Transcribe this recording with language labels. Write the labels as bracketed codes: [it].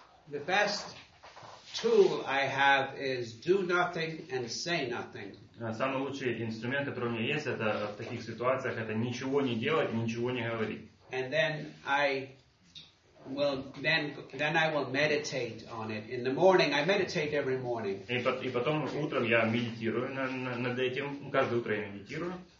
[en] the best tool I have is do nothing and say nothing. [ru] Самый лучший инструмент, который у меня есть, это в таких ситуациях, это ничего не делать, ничего не говорить. [en] And then I will meditate on it in the morning. I meditate every morning. [ru] И потом утром я медитирую над этим. Каждое утро я медитирую.